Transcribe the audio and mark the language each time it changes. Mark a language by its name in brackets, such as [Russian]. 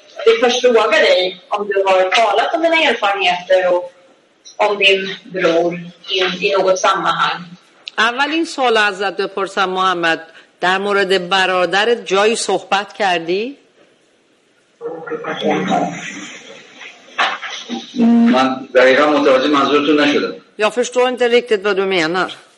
[Swedish] vi först fråga dig om du har talat om dina erfarenheter och om din bror i något sammanhang. [Persian] اولین سوال ازت بپرسم محمد، در مورد برادرت جایی صحبت کردی؟ من دقیقا متوجه منظورتون نشدم. [Swedish] Jag förstår inte riktigt vad du menar.